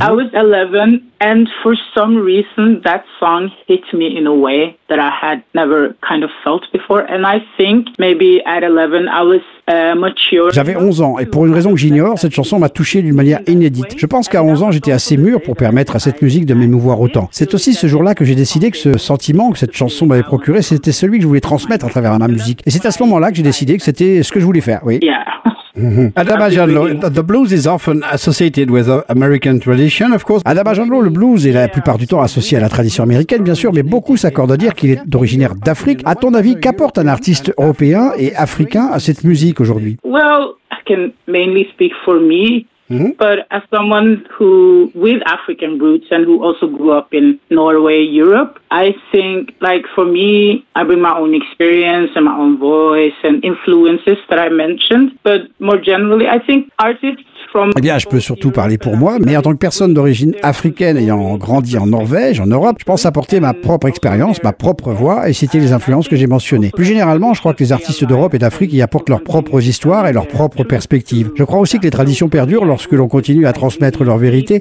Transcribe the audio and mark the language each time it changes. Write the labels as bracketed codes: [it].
[en] I was 11, and for some reason, that song hit me in a way that I had never kind of felt before. And I think maybe at 11, I was mature. [fr] J'avais 11 ans, et pour une raison que j'ignore, cette chanson m'a touché d'une manière inédite. Je pense qu'à 11 ans, j'étais assez mûr pour permettre à cette musique de m'émouvoir autant. C'est aussi ce jour-là que j'ai décidé que ce sentiment que cette chanson m'avait procuré, c'était celui que je voulais transmettre à travers ma musique. Et c'est à ce moment-là que j'ai décidé que c'était ce que je voulais faire, oui. [en] Yeah. Adama Janlo, the blues is often associated with American tradition, of course. [fr] Adama Janlo, le blues est la plupart du temps associé à la tradition américaine, bien sûr, mais beaucoup s'accordent à dire qu'il est originaire d'Afrique. À ton avis, qu'apporte un artiste européen et africain à cette musique aujourd'hui? [en] Well, I can mainly speak for me, but as someone who with African roots and who also grew up in Norway, Europe, I think, like for me, I bring my own experience and my own voice and influences that I mentioned. But more generally, I think artists. [fr] Eh bien, je peux surtout parler pour moi, mais en tant que personne d'origine africaine ayant grandi en Norvège, en Europe, je pense apporter ma propre expérience, ma propre voix, et citer les influences que j'ai mentionnées. Plus généralement, je crois que les artistes d'Europe et d'Afrique y apportent leurs propres histoires et leurs propres perspectives. Je crois aussi que les traditions perdurent lorsque l'on continue à transmettre leur vérité.